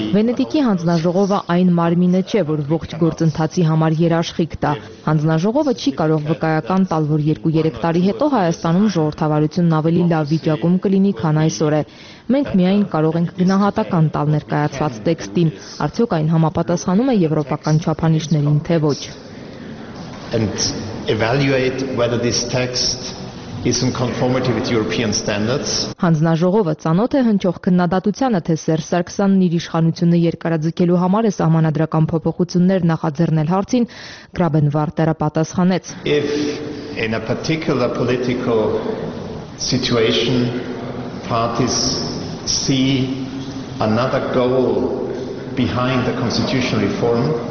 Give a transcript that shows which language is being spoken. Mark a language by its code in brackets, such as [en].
[hy] Վենետիկի հանձնաժողովը այն մարմինը չէ, որ ողջ գործընթացի համար երաշխիք տա։ Հանձնաժողովը չի կարող վկայական տալ, որ 2-3 տարի հետո Հայաստանում ժողովրդավարությունն ավելի լավ վիճակում կլինի, քան այսօր է։ Մենք միայն կարող ենք գնահատական տալ ներկայացված տեքստին, արդյոք այն համապատասխանում է եվրոպական չափանիշներին, թե ոչ։ [en] And evaluate whether this text is in conformity with European standards. [hy] Հանձնաժողովը ծանոթ է հնչող քննադատությանը, թե Սերժ Սարգսյանն իր իշխանությունը երկարաձգելու համար է սահմանադրական փոփոխություններ նախաձեռնել հարցին, Գրաբենվարտերը պատասխանեց։ [en] If in a particular political situation parties see another goal behind the constitutional reform.